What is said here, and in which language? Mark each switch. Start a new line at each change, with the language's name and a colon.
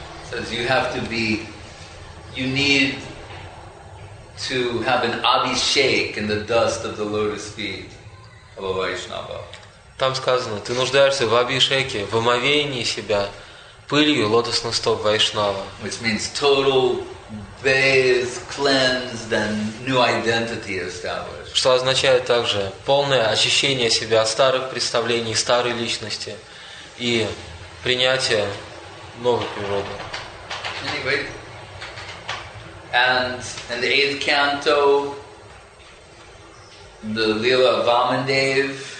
English: Says you have to be, you need to have an abhishek in the dust of the lotus feet of a Vaishnava.
Russian: Там сказано, ты нуждаешься в абишеке, в омовении себя пылью лотосных стоп Вайшнава.
English: Which means total bathed, cleansed, and new identity established.
Russian: Что означает также полное очищение себя от старых представлений, старой личности и принятие новой природы.
English: Anyway, and in the eighth canto, the Lila Vamandev.